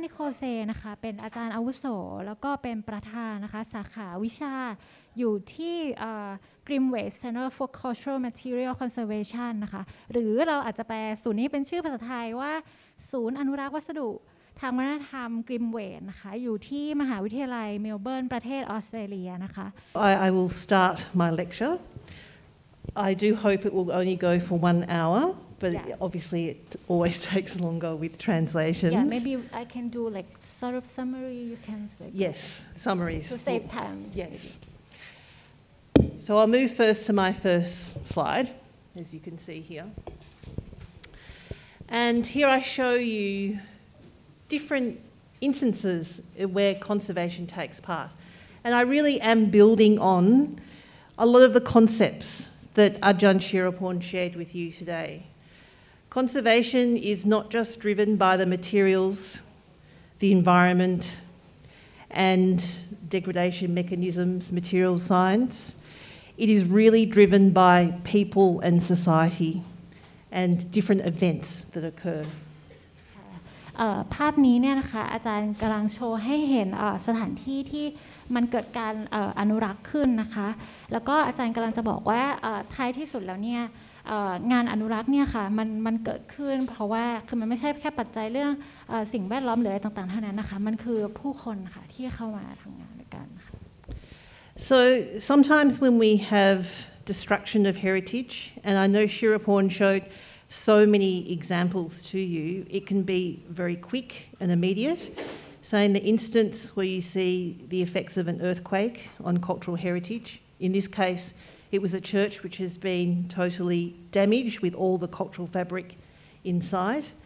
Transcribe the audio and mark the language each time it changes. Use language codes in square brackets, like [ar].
[th] นิโคลเซนะคะเป็นอาจารย์อาวุโสแล้วก็เป็นประธานนะคะสาขาวิชาอยู่ที่กริมเวสเซ็นเตอร์ฟอร์คัลเจอรัลแมทเทียลคอนเซอร์เวชันนะคะหรือเราอาจจะแปลศูนย์นี้เป็นชื่อภาษาไทยว่าศูนย์อนุรักษ์วัสดุทางวัฒนธรรมกริมเวสนะคะอยู่ที่มหาวิทยาลัยเมลเบิร์นประเทศออสเตรเลียนะคะ [en] I will start my lectureI do hope it will only go for 1 hour, but yeah. Obviously it always takes longer with translations. Yeah, maybe I can do like sort of summary, you can say. Yes, summaries. To save time. Yes. Maybe. So I'll move first to my first slide, as you can see here. And here I show you different instances where conservation takes part. And I really am building on a lot of the concepts that Ajahn Chirapon shared with you today. Conservation is not just driven by the materials, the environment, and degradation mechanisms, material science. It is really driven by people and society and different events that occur. [th] ภาพนี้เนี่ยนะคะอาจารย์กำลังโชว์ให้เห็นสถานที่ที่มันเกิดการอนุรักษ์ขึ้นนะคะแล้วก็อาจารย์กำลังจะบอกว่าท้ายที่สุดแล้วเนี่ยงานอนุรักษ์เนี่ยค่ะมันเกิดขึ้นเพราะว่าคือมันไม่ใช่แค่ปัจจัยเรื่องสิ่งแวดล้อมหรืออะไรต่างๆเท่านั้นนะคะมันคือผู้คนค่ะที่เข้ามาทำงานด้วยกันค่ะ [en] So sometimes when we have destruction of heritage and I know Chirapon showedSo many examples to you, it can be very quick and immediate. So in the instance where you see the effects of an earthquake on cultural heritage, in this case, it was a church which has been totally damaged with all the cultural fabric inside.